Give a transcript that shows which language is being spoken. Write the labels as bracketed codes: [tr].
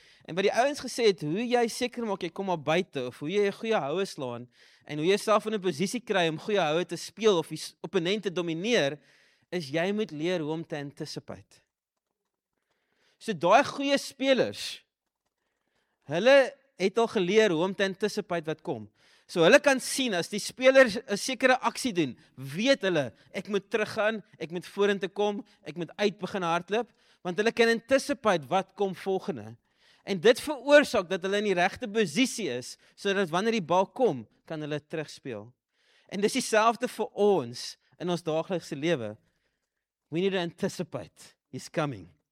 [af] En wat die ouens gesê het, hoe jy seker maak jy kom maar buite of hoe jy 'n goeie houe slaan en hoe jy self in 'n posisie kry om goeie houe te speel of die opponent te domineer, is jy moet leer hoe om te anticipate. So daai goeie spelers, Hulle het al geleer hoe om te anticipate wat kom. So hulle kan sien as die spelers 'n sekere aksie doen, weet hulle, ek moet teruggaan, ek moet vorentoe kom, ek moet uit begin hardloop, want hulle kan anticipate wat kom volgende. En dit veroorsaak dat hulle in die regte posisie is, sodat wanneer die bal kom, kan hulle terugspeel. En dis dieselfde vir ons in ons daaglikse lewe. [en] We need to anticipate he's coming.